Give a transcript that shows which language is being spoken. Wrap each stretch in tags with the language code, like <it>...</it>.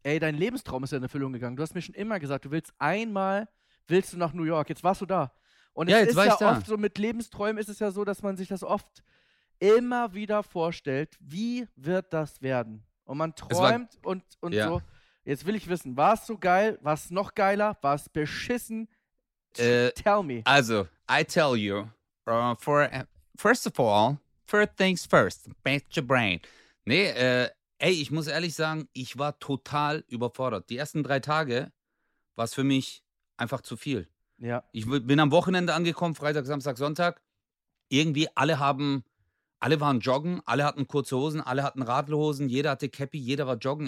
<de>Ey, dein Lebenstraum ist ja in Erfüllung gegangen. Du hast mir schon immer gesagt, du willst einmal nach New York. Jetzt warst du da. Und es ja, jetzt ist war ja ich da. Oft so, mit Lebensträumen ist es ja so, dass man sich das oft immer wieder vorstellt, wie wird das werden? Und man träumt und ja. So. Jetzt will ich wissen, war es so geil? War es noch geiler? War es beschissen?</de> <en>Tell me. Also, I tell you, first things first, bash your brain.</en> <de>Nee, ey, ich muss ehrlich sagen, ich war total überfordert. Die ersten 3 Tage war es für mich einfach zu viel. Ja. Ich bin am Wochenende angekommen, Freitag, Samstag, Sonntag. Irgendwie alle waren joggen, alle hatten kurze Hosen, alle hatten Radlhosen, jeder hatte Käppi, jeder war joggen.</de>